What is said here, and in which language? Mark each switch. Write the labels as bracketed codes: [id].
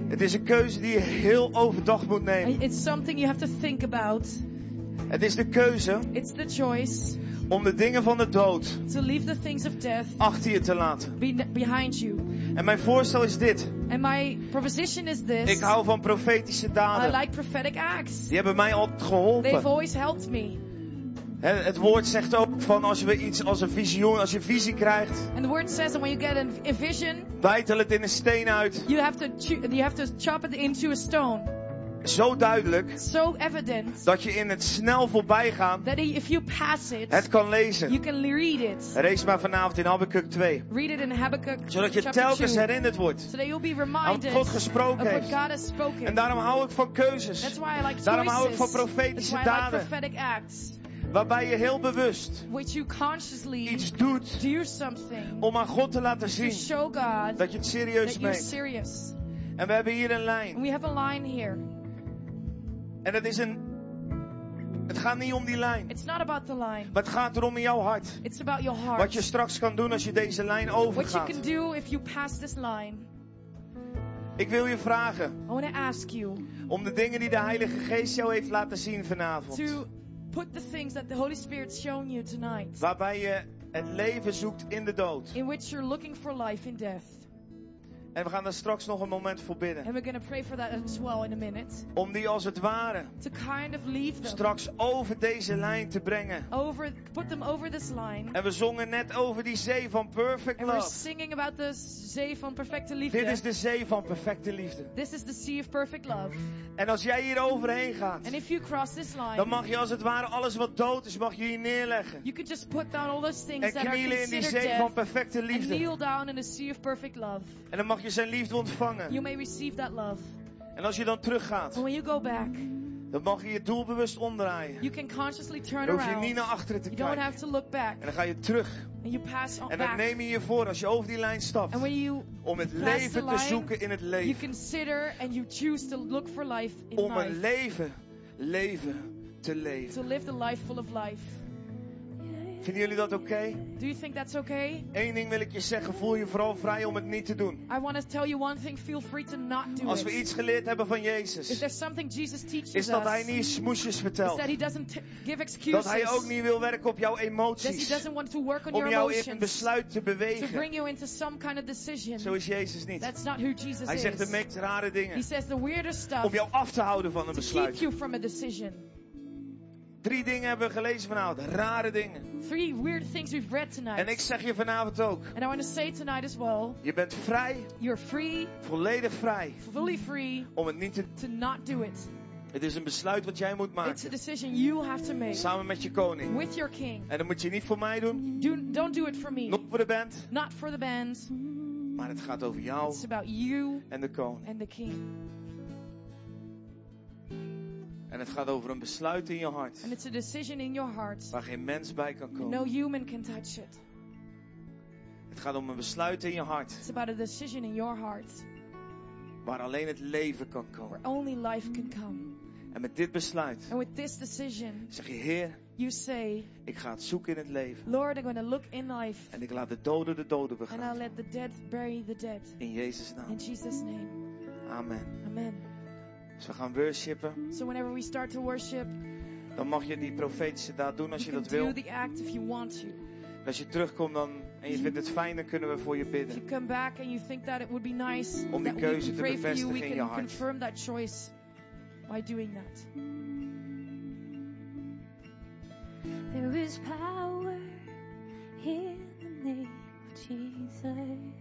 [nl] Het is een keuze die je heel overdag moet nemen. [en] It's something you have to think about. [nl] Het is de keuze [en] it's the choice [nl] om de dingen van de dood [en] to leave the things of death [nl] achter je te laten. [en] Behind you. [nl] En mijn voorstel is dit. [en] And my proposition is this. [nl] Ik hou van profetische daden. [en] I like prophetic acts. [nl] Die hebben mij al geholpen. [en] They've always helped me. [nl] Het woord zegt ook van als we iets als een visioen, als je visie krijgt. [en] And the word says that when you get a vision. [nl] Bijtel het in een steen uit. [en] You have to chop it into a stone. [nl] Zo duidelijk. [en] So evident. [nl] Dat je in het snel voorbijgaan. [en] That if you pass it. [nl] Het kan lezen. [en] You can read it. [nl] Rees maar vanavond in Habakkuk 2. [en] Read it in Habakkuk. [nl] Zodat je telkens herinnerd wordt. [en] So that you'll be reminded. [nl] Aan God gesproken [en] of what God has spoken. [nl] En daarom hou ik van keuzes. [en] That's why I like choices. [nl] Daarom hou ik van profetische [en] That's why I like [nl] daden. [en] Like prophetic acts. [nl] Waarbij je heel bewust [en] which you consciously [nl] iets doet [en] do something [nl] om aan God te laten zien [en] to show God [nl] dat je het serieus [en] that [nl] meent. [en] You're serious. [nl] En we hebben hier een lijn. [en] We have a line here. [nl] En het is een... Het gaat niet om die lijn. [en] It's not about the line. [nl] Maar het gaat erom in jouw hart. [en] It's about your heart. [nl] Wat je straks kan doen als je deze lijn overgaat. [en] What you can do if you pass this line. [nl] Ik wil je vragen [en] I want to ask you [nl] om de dingen die de Heilige Geest jou heeft laten zien vanavond. [en] Put the things that the Holy Spirit's shown you tonight. [nl] Waarbij je het leven zoekt in de dood. [en] In which you're looking for life in death. [nl] En we gaan daar straks nog een moment voor bidden. [en] And we're going to pray for that as well in a minute. [nl] Om die als het ware. [en] To kind of leave them. [nl] Straks over deze lijn te brengen. [en] Over, put them over this line. [nl] En we zongen net over die zee van [en] perfect love. And we're singing about the [nl] zee van perfecte liefde. Dit is de zee van perfecte liefde. [en] This is the sea of perfect love. [nl] En als jij hier overheen gaat. [en] And if you cross this line. [nl] Dan mag je als het ware alles wat dood is, mag je hier neerleggen. [en] You could just put down all those things [nl] en [en] that are considered [nl] in die zee [en] death, [nl] van perfecte liefde. [en] And kneel down in the sea of perfect love. [nl] En dan mag je zijn liefde ontvangen. [en] You may receive that love. [nl] En als je dan teruggaat. [en] And when you go back. [nl] Dan mag je je doelbewust omdraaien. [en] You can consciously turn around. [nl] Dan hoef je niet naar achteren te [en] you [nl] kijken. [en] Don't have to look back. [nl] En dan ga je terug. [en] And you pass on [nl] en dan [en] back. [nl] Neem je je voor als je over die lijn stapt. [en] And when you [nl] om het leven [en] line, [nl] te zoeken in het leven. [en] You consider and you choose to look for life in [nl] om [en] life. [nl] Een leven, leven te leven. [en] To live the life full of life. [nl] Vinden jullie dat oké? Okay? [en] Do you think that's okay? [nl] Eén ding wil ik je zeggen, voel je vooral vrij om het niet te doen. [en] I want to tell you one thing, feel free to not do it. [nl] Als we iets geleerd hebben van Jezus. [en] If there's something Jesus teaches [nl] is dat hij niet smoesjes vertelt. [en] Is that he doesn't give excuses. [nl] Dat hij ook niet wil werken op jouw emoties. [en] That he doesn't want to work on [nl] om [en] your [nl] jou in een besluit te bewegen. [en] To bring you into some kind of decision. [nl] Zo is Jezus niet. [en] That's not who Jesus [nl] hij [en] is. [nl] Zegt de meest rare dingen. [en] He says the weirdest stuff. [nl] Om jou af te houden van een [en] to [nl] besluit. [en] To keep you from a decision. [nl] Drie dingen hebben we gelezen vanavond. Rare dingen. [en] Three weird things we've read tonight. [nl] En ik zeg je vanavond ook. [en] And I want to say tonight as well. [nl] Je bent vrij. [en] You're free. [nl] Volledig vrij. [en] Fully free. [nl] Om het niet te... [en] To not do it. [nl] Het is een besluit wat jij moet maken. [en] It's a decision you have to make. [nl] Samen met je koning. [en] With your king. [nl] En dat moet je niet voor mij doen. [en] Don't do it for me. Not for the band. Not for the band. [nl] Maar het gaat over jou. [en] It's about you. [nl] En de koning. [en] And the king. [nl] En het gaat over een besluit in je hart. [en] And it's a decision in your heart. [nl] Waar geen mens bij kan komen. [en] No human can touch it. [nl] Het gaat om een besluit in je hart. [en] It's about a decision in your heart. [nl] Waar alleen het leven kan komen. [en] Where only life can come. [nl] En met dit besluit. [en] And with this decision. [nl] Zeg je, Heer. [en] You say, [nl] ik ga het zoeken in het leven. [en] Lord, I'm going to look in life. [nl] En ik laat de doden begraven. [en] And I'll let the dead bury the dead. [nl] In Jezus naam. [en] In Jesus name. Amen. Amen. [nl] Dus we gaan worshipen. [en] So whenever we start to worship, [nl] dan mag je die profetische daad doen als [en] you [nl] je dat wil. [en] Do the act if you want to. [nl] Als je terugkomt dan en je vindt het fijn, dan kunnen we voor je bidden. [en] If you come back and you think that it would be nice, [nl] om die keuze te bevestigen [en] you, [nl] in je hart. [en] We can confirm that choice by doing that. There is power in the name of Jesus.